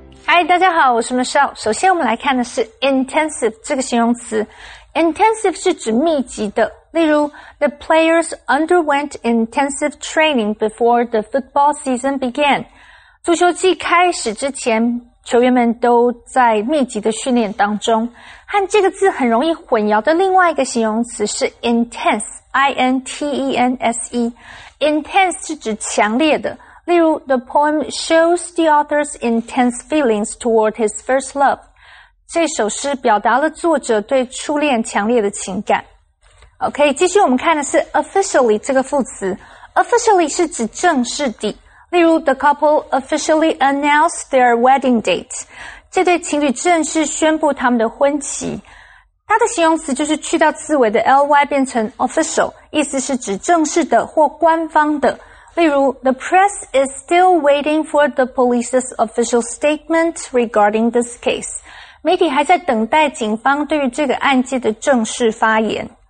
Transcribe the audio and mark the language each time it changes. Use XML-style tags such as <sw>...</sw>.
<zh>Hi, 大家好，我是 Michelle。首先我们来看的是 intensive 这个形容词。</zh> <en>Intensive</en> <zh>是指密集的，例如</zh> <en>The players underwent intensive training before the football season began.</en> <zh>足球季开始之前，球员们都在密集的训练当中。和这个字很容易混淆的另外一个形容词是 intense, I-N-T-E-N-S-E.</zh> <en>Intense</en> <zh>是指强烈的，例如</zh> <en>The poem shows the author's intense feelings toward his first love.</en> <zh>这首诗表达了作者对初恋强烈的情感。 OK, 继续我们看的是 officially 这个副词。Officially 是指正式的。例如</zh> <en>,the couple officially announced their wedding date.</en> <zh>这对情侣正式宣布他们的婚期。它的形容词就是去掉字尾的 ly 变成 official, 意思是指正式的或官方的。例如</zh> <en>,the press is still waiting for the police's official statement regarding this case.</en> <zh>媒体还在等待警方对于这个案件的正式发言。</zh>